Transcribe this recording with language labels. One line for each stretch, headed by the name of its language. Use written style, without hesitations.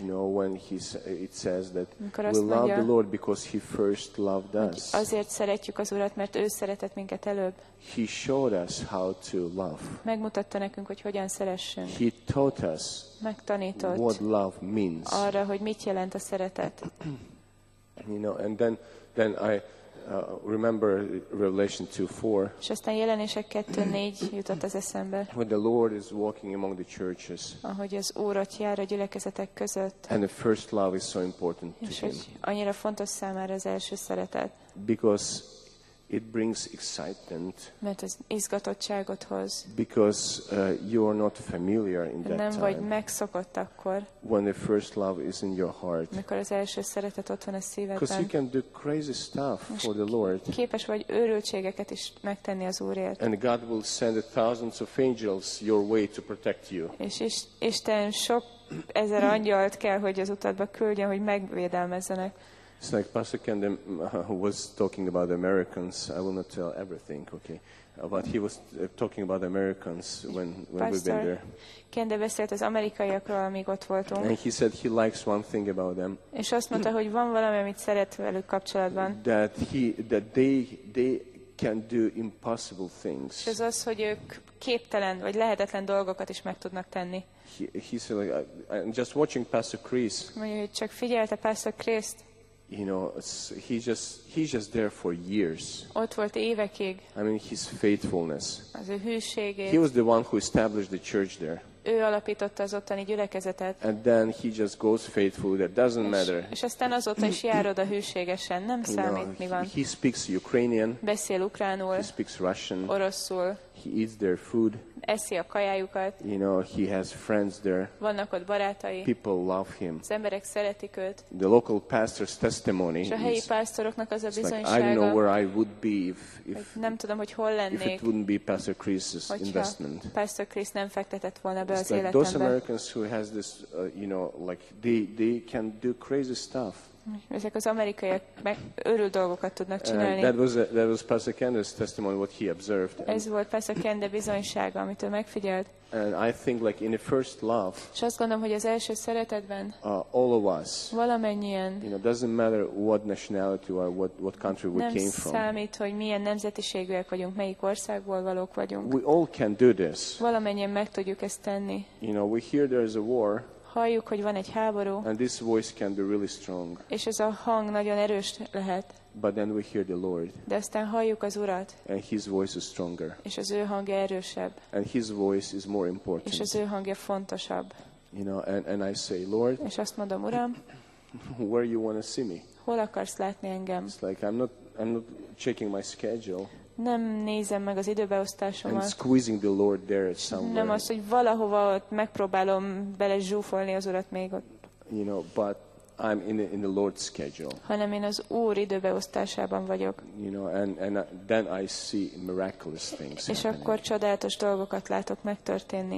English: You know, when it says that we love the Lord because he first loved us.
Hungarian: Azért szeretjük az Urat, mert ő szeretett minket előbb.
English: He showed us how to love.
Hungarian: Megmutatta nekünk, hogy hogyan szeressünk.
English: He taught us.
Hungarian: Megtanított.
English: What love means.
Hungarian: Arra, hogy mit jelent a szeretet.
English: You know, and then I remember Revelation 2:4.
Hungarian: És aztán Jelenések 2:4 jutott az eszembe.
English: When the Lord is walking among the churches.
Hungarian: Ahogy az Úr ott jár a gyülekezetek között.
English: And the first love is so important to him.
Hungarian: Annyira fontos számára az első szeretet.
English: Because it brings excitement.
Hungarian: Mert az izgatottságot hoz.
English: Because you are not familiar in that time.
Hungarian: Nem vagy megszokott akkor.
English: When the first love is in your heart.
Hungarian: Mikor az első szeretet ott van a szívedben.
English: Because you can do crazy stuff for the Lord.
Hungarian: Képes vagy őrültségeket is megtenni az Úrért.
English: And God will send thousands of angels your way to protect you.
Hungarian: És Isten sok ezer angyalt kell, hogy az utadba küldjen, hogy megvédelmezzenek.
English: It's like Pastor Kendem was talking about Americans. I will not tell everything, okay? But he was talking about Americans when Pastor we've been there.
Hungarian: Kende beszélt az amerikaiakról, amíg ott voltunk.
English: And he said he likes one thing about them.
Hungarian: És azt mondta, hogy van valami, amit szeret velük kapcsolatban.
English: That they can do impossible things.
Hungarian: És ez az, hogy ők képtelen vagy lehetetlen dolgokat is meg tudnak tenni.
English: He said, like, I'm just watching Pastor Chris.
Hungarian: Mondjuk, csak figyelte Pastor Chris.
English: You know, he's just there for years.
Hungarian: Ott volt évekig.
English: I mean, his faithfulness.
Hungarian: Az ő hűségét.
English: He was the one who established the church there.
Hungarian: Ő alapította az ottani gyülekezetet.
English: And then he just goes faithfully. That doesn't matter.
Hungarian: És aztán azóta is jár oda hűségesen. Nem számít, mi van.
English: He speaks Ukrainian.
Hungarian: Beszél ukránul.
English: He speaks Russian.
Hungarian: Oroszul.
English: He eats their food.
Hungarian: Eszi a kajájukat.
English: You know, he has friends there.
Hungarian: Vannak ott barátai.
English: People love him.
Hungarian: Az emberek szeretik őt.
English: The local pastor's testimony.
Hungarian: És a helyi pásztoroknak az a bizonysága.
English: Like, I don't know where I would be if
Hungarian: nem tudom, hogy hol lennék.
English: If it wouldn't be Pastor Chris's investment.
Hungarian: Pastor Chris nem fektetett volna be
English: It's
Hungarian: az életembe.
English: Like those Americans who has this, you know, like they can do crazy stuff.
Hungarian: Ezek az amerikaiak meg őrült dolgokat tudnak csinálni.
English: That was Pastor Kendall's testimony, what he observed.
Hungarian: Ez volt Pastor Kendall bizonysága, amit ő megfigyelt.
English: And I think, like in the first love.
Hungarian: És azt gondolom, hogy az első szeretetben.
English: All of us.
Hungarian: Valamennyien.
English: You know, doesn't matter what nationality or what country we came from.
Hungarian: Nem számít, hogy milyen nemzetiségűek vagyunk, melyik országból valók vagyunk.
English: We all can do this.
Hungarian: Valamennyien meg tudjuk ezt tenni.
English: You know, we hear there is a war.
Hungarian: Halljuk, hogy van egy háború.
English: And this voice can be really strong.
Hungarian: És ez a hang nagyon erős lehet.
English: But then we hear the Lord.
Hungarian: De aztán halljuk az Urat.
English: And his voice is stronger.
Hungarian: És az ő hangja erősebb.
English: And his voice is more important.
Hungarian: És az ő hangja fontosabb.
English: You know, and I say, Lord.
Hungarian: És azt mondom, Uram.
English: Where you want to see me?
Hungarian: Hol akarsz látni engem?
English: It's like I'm not checking my schedule.
Hungarian: Nem nézem meg az időbeosztásomat.
English: And squeezing the Lord there somewhere.
Hungarian: Nem azt, hogy valahova ott megpróbálom bele zsúfolni az Urat még ott.
English: You know, but I'm in the Lord's schedule.
Hungarian: Hanem én az Úr időbeosztásában vagyok.
English: You know, and then I see miraculous things.
Hungarian: És akkor csodálatos dolgokat látok megtörténni.